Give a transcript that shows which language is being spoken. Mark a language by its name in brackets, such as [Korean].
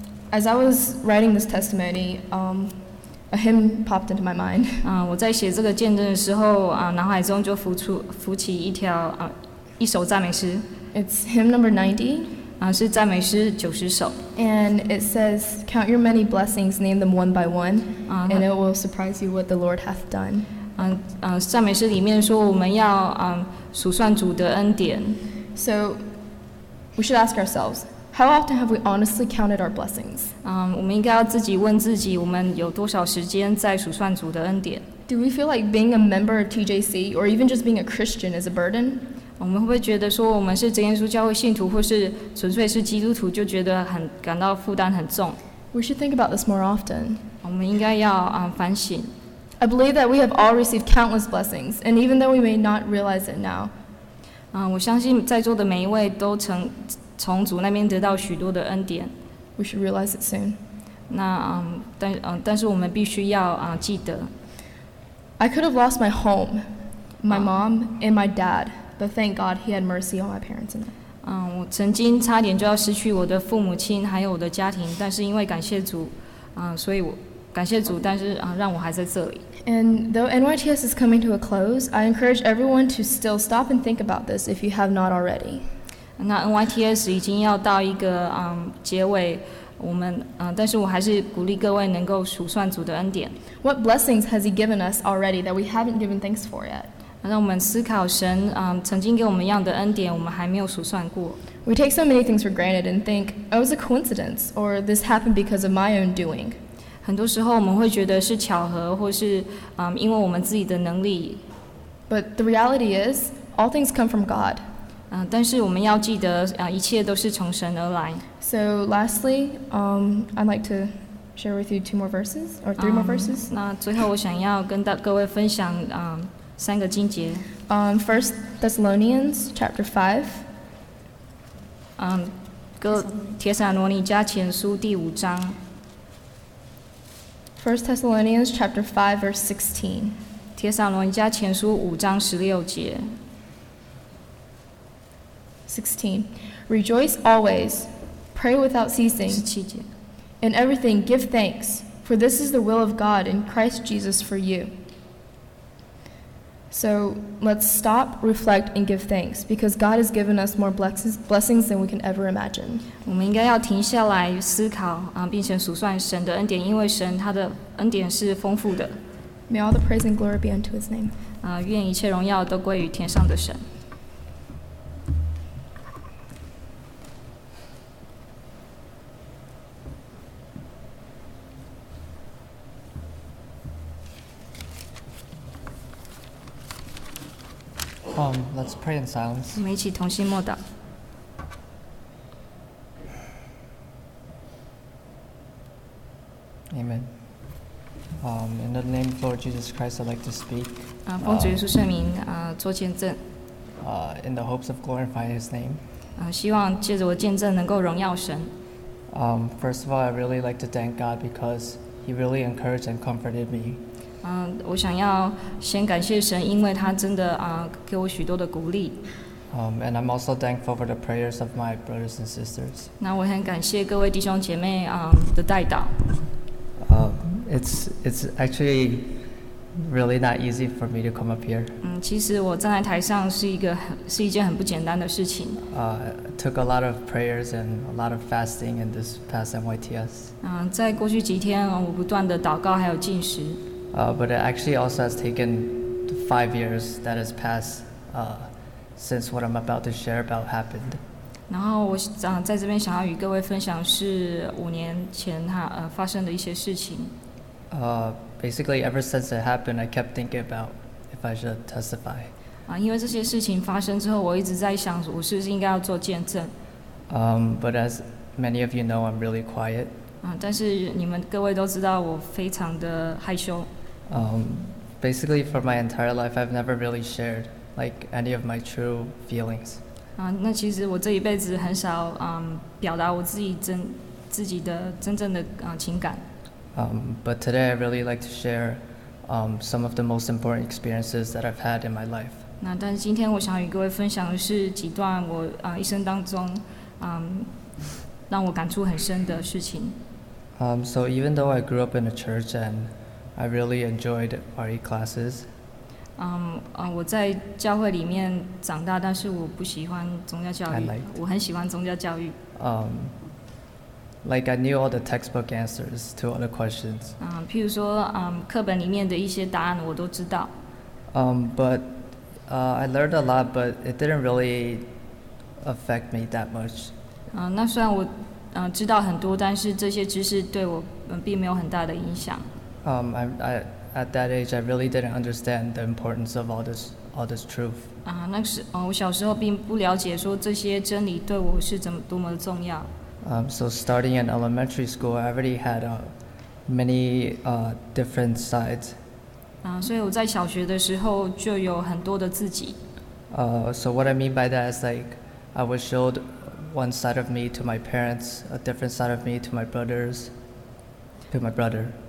[English] As I was writing this testimony, a hymn popped into my mind. [Chinese] 我在写这个见证的时候，脑海中就浮起一首赞美诗。 [English] It's hymn number 90. [Chinese] 是赞美诗九十首。 [English] And it says, count your many blessings, name them one by one, and it will surprise you what the Lord hath done. [Chinese] 赞美诗里面说我们要数算主的恩典。 [English] So we should ask ourselves, how often have we honestly counted our blessings? [Chinese] 我们应该要自己问自己，我们有多少时间在数算主的恩典。 [English] Do we feel like being a member of TJC, or even just being a Christian is a burden? [Chinese] 我们会不会觉得说我们是真耶稣教会信徒，或是纯粹是基督徒，就觉得很感到负担很重 [English] ？We should think about this more often. [Chinese] 我们应该要反省。 [English] I believe that we have all received countless blessings, and even though we may not realize it now, [Chinese] 我相信在座的每一位都曾从主那边得到许多的恩典。 [English] We should realize it soon. [Chinese] 那但是我们必须要记得。 [English] I could have lost my home, my mom, and my dad. But thank God he had mercy on my parents and I. [Chinese] 我曾经差点就要失去我的父母亲还有我的家庭，但是因为感谢主，所以我感谢主，但是让我还在这里。 [English] And though NYTS is coming to a close, I encourage everyone to still stop and think about this if you have not already. [Chinese] 那 NYTS 已经要到一个结尾，我们但是我还是鼓励各位能够数算主的恩典。 [English] What blessings has he given us already that we haven't given thanks for yet? [Chinese] 让我们思考神曾经给我们一样的恩典，我们还没有数算过。 [English] We take so many things for granted and think, oh, it's a coincidence, or this happened because of my own doing. [Chinese] 很多时候我们会觉得是巧合，或是因为我们自己的能力。 [English] But the reality is, all things come from God. [Chinese] 但是我们要记得一切都是从神而来。 [English] So lastly, I'd like to share with you two more verses, or three more verses. [Chinese] 那最后我想要跟各位分享三个经节。 [English] First Thessalonians chapter 5. [Chinese] 帖撒罗尼迦前书第五章。 [English] First Thessalonians chapter 5 verse 16. [Chinese] 帖撒罗尼迦前书五章十六节。 [English] 16. Rejoice always, pray without ceasing. [Chinese] 十七节。 [English] In everything give thanks, for this is the will of God in Christ Jesus for you. So let's stop, reflect, and give thanks because God has given us more blessings than we can ever imagine. [Chinese] 我们应该要停下来思考，并且数算神的恩典，因为神他的恩典是丰富的。 [English] May all the praise and glory be unto His name. [Chinese] 愿一切荣耀都归于天上的神。 [English] Let's pray in silence. [Chinese] 我们一起同心默祷。 [English] Amen. In the name of Lord Jesus Christ, I'd like to speak. [Chinese] 奉主耶稣圣名，做见证。 [English] In the hopes of glorifying His name. [Chinese] 希望借着我见证能够荣耀神。 [English] First of all, I really like to thank God because He really encouraged and comforted me. [Chinese] 我想要先感谢神，因为他真的给我许多的鼓励。 [English] And I'm also thankful for the prayers of my brothers and sisters. [Chinese] 那我很感谢各位弟兄姐妹的代祷。 [English] It's actually really not easy for me to come up here. [Chinese] 其实我站在台上是一件很不简单的事情。 [English] Took a lot of prayers and a lot of fasting in this past NYTS. [Chinese] 在过去几天，我不断的祷告还有进食。 [English] But it actually also has taken 5 years that has passed since what I'm about to share about happened. [Chinese] 然后我在这边想要与各位分享是五年前发生的一些事情。 [English] Basically, ever since it happened, I kept thinking about if I should testify. [Chinese] 因为这些事情发生之后，我一直在想，我是不是应该要做见证。 [English] But as many of you know, I'm really quiet. [Chinese] 但是你们各位都知道我非常的害羞。 [English] Basically, for my entire life, I've never really shared like any of my true feelings. [Chinese] 那其实我这一辈子很少表达我自己的真正的情感。 [English] But today, I really like to share some of the most important experiences that I've had in my life. [Chinese] 但今天我想与各位分享的是几段我一生当中让我感触很深的事情。 [English] So even though I grew up in a church and I really enjoyed RE classes. [Chinese] 我在教会里面长大，但是我不喜欢宗教教育。我很喜欢宗教教育。 [English] Like I knew all the textbook answers to all the questions. [Chinese] 譬如说，课本里面的一些答案我都知道。 [English] But I learned a lot, but it didn't really affect me that much. [Chinese] 那虽然我知道很多，但是这些知识对我并没有很大的影响。 [English] I at that age, I really didn't understand the importance of all this truth. [Chinese] 我小时候并不了解说这些真理对我是怎么多么的重要。 [English] So starting in elementary school, I already had many different sides. [Chinese] 所以我在小学的时候就有很多的自己。 [English] So what I mean by that is like I would show one side of me to my parents, a different side of me to my brothers, to my brother.